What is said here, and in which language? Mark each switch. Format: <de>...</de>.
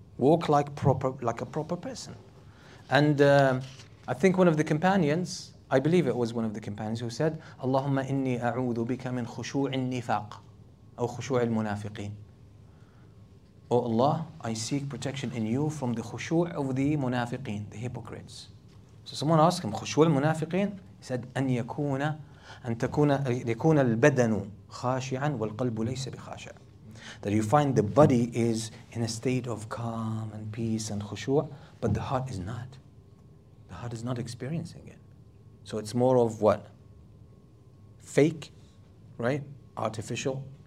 <en>Walk like proper, like a proper person. And I think one of the companions, I believe it was one of the companions who said,</en> <ar>اللهم إني أعوذ بك من خشوع النفاق أو خشوع المنافقين.</ar> <en>Oh Allah, I seek protection in you from the خشوع of the منافقين, the hypocrites. So someone asked him,</en> <ar>خشوع المنافقين?</ar> <en>He said,</en> <ar>أَن يَكُونَ الْبَدَنُ خَاشِعًا وَالْقَلْبُ لَيْسَ بِخَاشِعًا.</ar> <en>That you find the body is in a state of calm and peace and khushu', but the heart is not. The heart is not experiencing it. So it's more of what? Fake, right? Artificial.</en>